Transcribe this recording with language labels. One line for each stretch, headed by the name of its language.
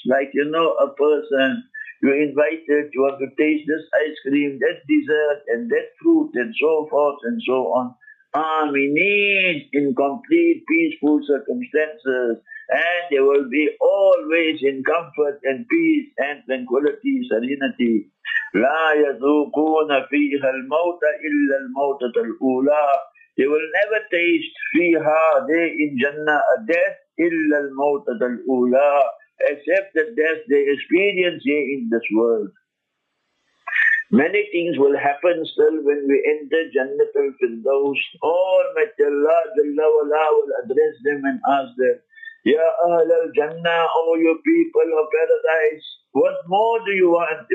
English: Like, you know, a person, you're invited, you want to taste this ice cream, that dessert and that fruit and so forth and so on. We need in complete peaceful circumstances, and there will be always in comfort and peace and tranquility, serenity.
Arabic: لا يذوقون فيها الموت إلا الموتة الأولى.
English: They will never taste fiha day in Jannah a death
Arabic: illa al-mawtat al-ula,
English: except the death they experience here in this world. Many things will happen still when we enter Jannat al-Firdaus. Almighty Allah Jalla wala will address them and ask them,
Arabic: Ya Ahl al-Jannah,
English: O you people of paradise, what more do you want?